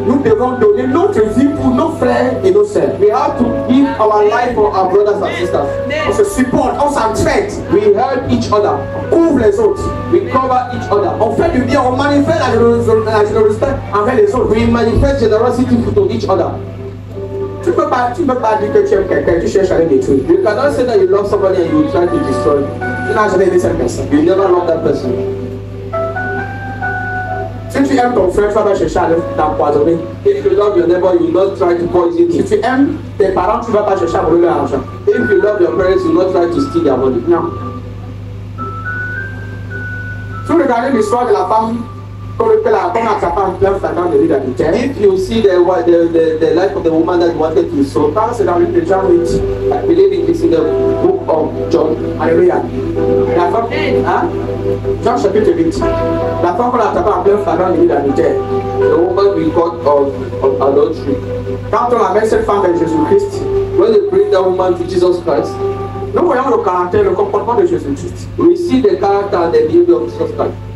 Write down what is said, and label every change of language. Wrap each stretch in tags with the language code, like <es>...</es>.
<fr>nous devons donner notre vie pour nos frères et nos sœurs.</fr> <en>We have to give our life for our brothers and sisters.</en> <fr>On se supporte, on s'entraide.</fr> <en>We help each other.</en> <fr>On couvre les autres.</fr> <en>We cover each other.</en> <fr>On fait du bien, on manifeste la générosité envers les autres.</fr> <en>We manifest generosity to each other.</en> <fr>Tu peux pas dire que tu aimes quelqu'un, tu cherches à le détruire.</fr> <en>You cannot say that you love somebody and you try to destroy.</en> <fr>Tu n'as jamais aimé cette personne.</fr> <en>You never love that person.</en> <fr>Si tu aimes ton frère, tu vas pas chercher à l'empoisonner.</fr> <en>If you love your neighbor, you not try to poison him.</en> <fr>Si tu aimes tes parents, tu vas pas chercher à voler leur argent.</fr> <en>If you love your parents, you not try to steal their money.</en> <fr>Non. Tu regardes l'histoire de la femme.</fr> <en>If you see the life of the woman that wanted to sow, that's in the John 8. I believe it is in the book of John.</en> <fr>Hallelujah. La femme, John chapitre 8. La femme qu'on a tapé en plein flagrant délit d'adultère.</fr> <en>The woman we caught of adultery.</en> <fr>Quand on amène cette femme à Jésus Christ,</fr> <en>when they bring that woman to Jesus Christ,</en> <fr>nous voyons le caractère, le comportement de Jésus Christ.</fr> <en>We see the character and the behavior of Jesus Christ.</en>